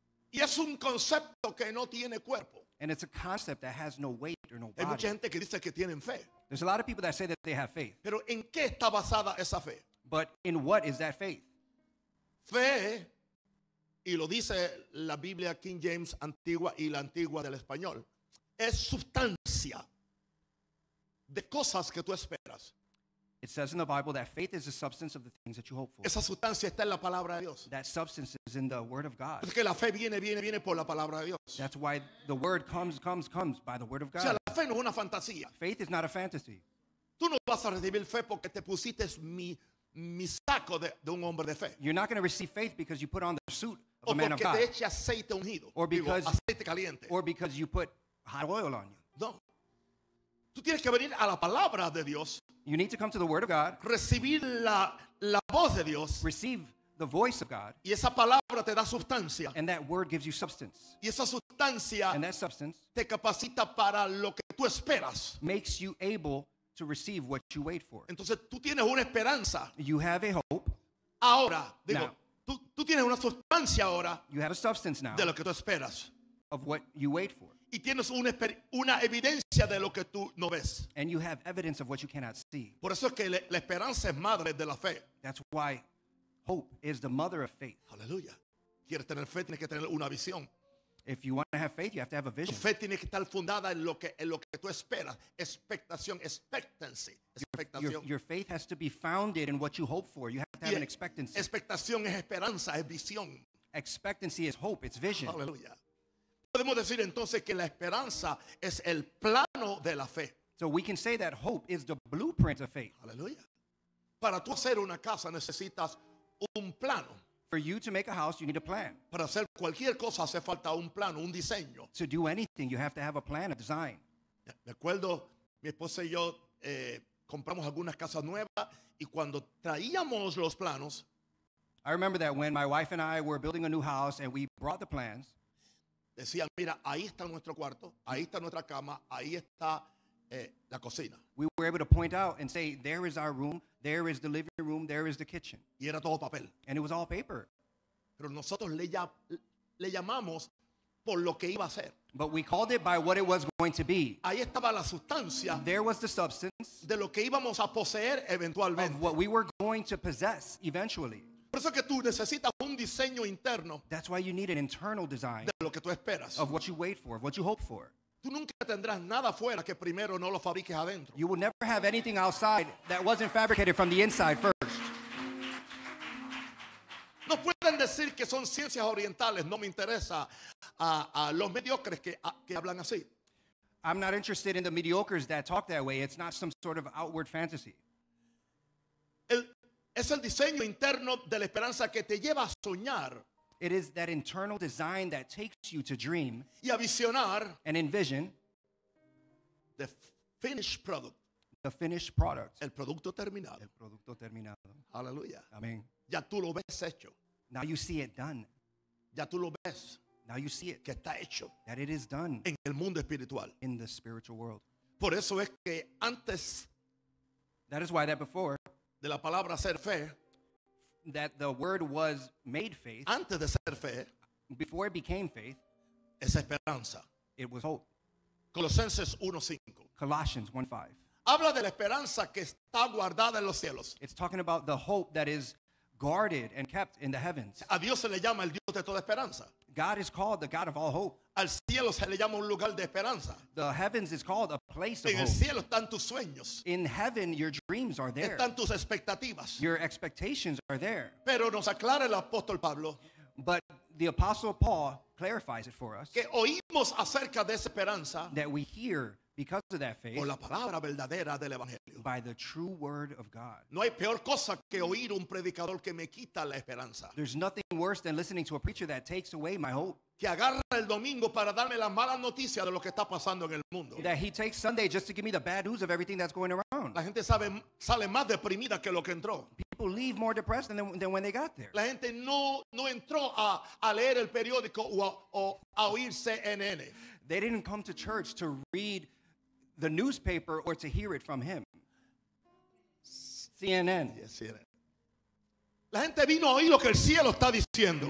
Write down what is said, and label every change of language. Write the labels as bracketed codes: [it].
[es] Y es un concepto que no tiene cuerpo. [en] And it's a concept that has no weight or no body. [es] Hay mucha gente que dice que tienen fe. [en] There's a lot of people that say that they have faith. [es] Pero ¿en qué está basada esa fe? [en] But in what is that faith? [es] Fe, y lo dice la Biblia King James antigua y la antigua del español, es sustancia. De cosas que tú esperas. [en] It says in the Bible that faith is the substance of the things that you hope for. [es] Esa sustancia está en la palabra de Dios. [en] That substance is in the word of God. [es] Porque la fe viene por la palabra de Dios. [en] That's why the word comes by the word of God. [es] O sea, la fe no es una fantasía. [en] Faith is not a fantasy. [es] Tú no vas a recibir fe porque te pusiste mi saco de un hombre de fe. [en] You're not going to receive faith because you put on the suit of [es] o [en] a man of God. [es] Te eche aceite ungido, [en] or, because, [es] digo, aceite caliente. [en] Or because you put hot oil on you. [es] No. Tú tienes que venir a la palabra de Dios. [en] You need to come to the word of God. [es] Recibir la voz de Dios. [en] Receive the voice of God. [es] Y esa palabra te da sustancia. [en] And that word gives you substance. [es] Y esa sustancia, [en] and that substance, [es] te capacita para lo que tú esperas. [en] Makes you able to receive what you wait for. [es] Entonces, tú tienes una esperanza. [en] You have a hope. [es] Ahora, digo, tú tienes una sustancia ahora. [en] You have a substance now. [es] De lo que tú esperas. [en] Of what you wait for. [es] Y tienes una evidencia de lo que tú no ves. [en] And you have evidence of what you cannot see. [es] Por eso es que la esperanza es madre de la fe. [en] That's why hope is the mother of faith. [es] Aleluya. Quieres tener fe, tienes que tener una visión. [en] If you want to have faith, you have to have a vision. [es] Tu fe tiene que estar fundada en lo que tú esperas. Expectación, expectancy. Expectación. [en] Your faith has to be founded in what you hope for. You have to have an expectancy. [es] Expectación es esperanza, es visión. [en] Expectancy is hope, it's vision. [es] Aleluya. Podemos decir entonces que la esperanza es el plano de la fe. [en] So we can say that hope is the blueprint of faith. [es] Aleluya. Para tú hacer una casa necesitas un plano. [en] For you to make a house, you need a plan. [es] Para hacer cualquier cosa hace falta un plano, un diseño. [en] To do anything, you have to have a plan, a design. [es] Me acuerdo, mi esposa y yo compramos algunas casas nuevas y cuando traíamos los planos. [en] I remember that when my wife and I were building a new house and we brought the plans. [es] Decían, mira, ahí está nuestro cuarto, ahí está nuestra cama, ahí está la cocina. [en] We were able to point out and say, there is our room, there is the living room, there is the kitchen. [es] Y era todo papel. [en] And it was all paper. [es] Pero nosotros le llamamos por lo que iba a ser. [en] But we called it by what it was going to be. [es] Ahí estaba la sustancia. [en] There was the substance. [es] De lo que íbamos a poseer eventualmente. [en] Of what we were going to possess eventually. [es] Por eso que tú necesitas un diseño interno. [en] That's why you need an internal design. [es] De lo que tú esperas. [en] Of what you wait for, of what you hope for. [es] Tú nunca tendrás nada fuera que primero no lo fabriques adentro. [en] You will never have anything outside that wasn't fabricated from the inside first. [es] No pueden decir que son ciencias orientales. No me interesa a los mediocres que hablan así. [en] I'm not interested in the mediocres that talk that way. It's not some sort of outward fantasy. [es] Es el diseño interno de la esperanza que te lleva a soñar. [en] It is that internal design that takes you to dream. [es] Y a visionar. [en] And envision. The finished product. The finished product. [es] El producto terminado. El producto terminado. Aleluya. Amén. Ya tú lo ves hecho. [en] Now you see it done. [es] Ya tú lo ves. [en] Now you see it. [es] Que está hecho. [en] That it is done. [es] En el mundo espiritual. [en] In the spiritual world. [es] Por eso es que antes. [en] That is why that before. [es] De la palabra ser fe, [en] that the word was made faith, [es] antes de ser fe, [en] before it became faith, [es] es esperanza. [en] It was hope. [es] Colosenses 1:5. [en] Colossians 1:5. [es] Habla de la esperanza que está guardada en los cielos. [en] It's talking about the hope that is guarded and kept in the heavens. [es] A Dios se le llama el Dios de toda esperanza. [en] God is called the God of all hope. [es] Al cielo se le llama un lugar de esperanza. [en] The heavens is called a place of hope. [es] En el cielo están tus sueños. [en] In heaven, your dreams are there. [es] Están tus expectativas. [en] Your expectations are there. [es] Pero nos aclara el apóstol Pablo. [en] But the apostle Paul clarifies it for us. [es] Que oímos acerca de esa esperanza. [en] That we hear because of that faith. [es] Por la palabra verdadera del evangelio. [en] By the true word of God. [es] No hay peor cosa que oír un predicador que me quita la esperanza. [en] There's nothing worse than listening to a preacher that takes away my hope. [es] Que agarra el domingo para darme las malas noticias de lo que está pasando en el mundo. [en] That he takes Sunday just to give me the bad news of everything that's going around. [es] La gente sale más deprimida que lo que entró. [en] People leave more depressed than when they got there. [es] La gente no entró a leer el periódico o a oír CNN. [en] They didn't come to church to read the newspaper or to hear it from him. CNN. Yes, CNN. [es] La gente vino a oír lo que el cielo está diciendo.